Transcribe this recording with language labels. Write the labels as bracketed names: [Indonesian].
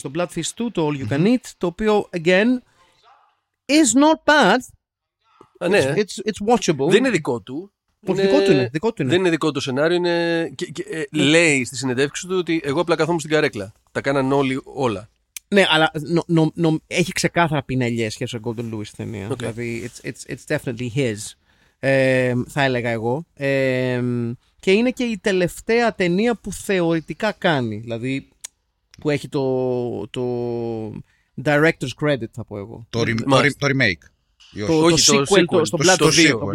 [Greek] Το Bloodfish 2, το All You Can Eat. Το οποίο, [English] again, is not bad. [Greek] Α, ναι. [English] It's watchable. [Greek] Δεν είναι δικό του. Δικό του είναι. Δεν είναι δικό του σενάριο. Είναι... λέει στη συνεντεύξη του ότι εγώ απλά καθόμουν στην καρέκλα. Τα κάναν όλοι όλα. Ναι, αλλά έχει ξεκάθαρα πινελιές σχέση με τον Golden Lewis ταινία. Okay. Δηλαδή, [English] it's definitely his. [Greek] Θα έλεγα εγώ. Και είναι και η τελευταία ταινία που θεωρητικά κάνει. Δηλαδή, που έχει το director's credit, θα πω εγώ. Το remake. Το sequel στο Bloodfish.